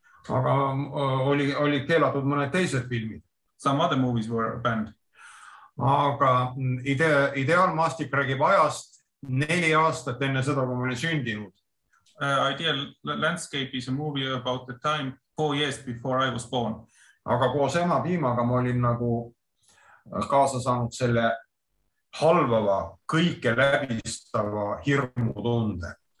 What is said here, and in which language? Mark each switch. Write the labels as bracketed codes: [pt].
[et] Aga oli keelatud mõned teised filmid. [en] Some other movies were banned. [et] Aga ideaalmaastik räägib ajast 4 aastat enne seda, kui ma olen sündinud. [en] Ideal Landscape is a movie about the time 4 years before I was born. [et] Aga koos ema piimaga ma olin nagu kaasa saanud selle halvava, kõike läbistava hirmu tunde.